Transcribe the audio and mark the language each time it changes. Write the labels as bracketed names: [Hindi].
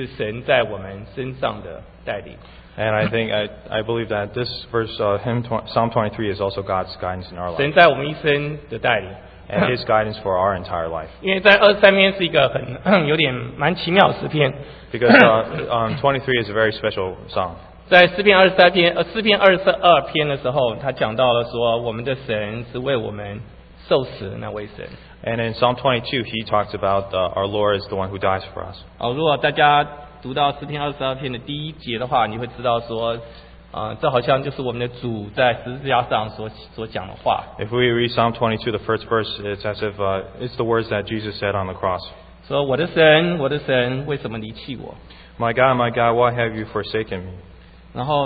[Chinese] 我相信呢，大卫这23篇呢，大卫所写的这一篇24篇、23篇也是神在我们身上的。 [English] And I think I believe that this verse Psalm 23 is also God's guidance in our life. [Chinese] 神在我们一生的带领, [English] and his guidance for our entire life. [Chinese] 因为在23篇是一个很有点蛮奇妙的诗篇. [English] Because 23 is a very special song. [Chinese] 在诗篇23篇，诗篇22篇的时候，他讲到了说，我们的神是为我们受死那位神。 [English] And in Psalm 22, he talks about our Lord is the one who dies for us. [Chinese] 哦，如果大家 读到诗篇二十二篇的第一节的话，你会知道说，这好像就是我们的主在十字架上所讲的话。 [English] If we read Psalm 22, the first verse, it's as if it's the words that Jesus said on the cross. [Chinese] 说，我的神，我的神，为什么离弃我？ [English] My God, my God, why have you forsaken me?